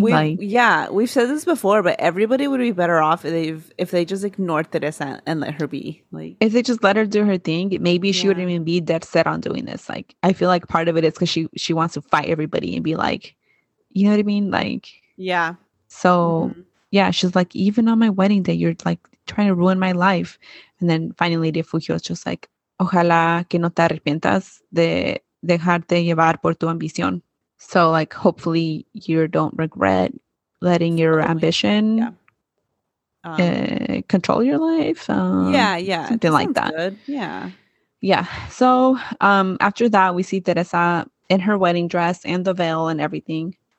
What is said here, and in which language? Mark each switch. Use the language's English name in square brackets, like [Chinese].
[English] We've said this before, but everybody would be better off if they just ignored Teresa and let her be. Like, if they just let her do her thing, maybe she wouldn't even be dead set on doing this. Like, I feel like part of it is because she wants to fight everybody and be like, you know what I mean? Like, yeah. So, yeah, she's like, even on my wedding day, you're, like, trying to ruin my life. And then finally, Lady Fujio is just like, [Spanish] ojalá que no te arrepientas de dejarte llevar por tu ambición. [English] So, like, hopefully you don't regret letting your ambition control your life. Something like that. Good. Yeah. So, after that, we see Teresa in her wedding dress and the veil and everything.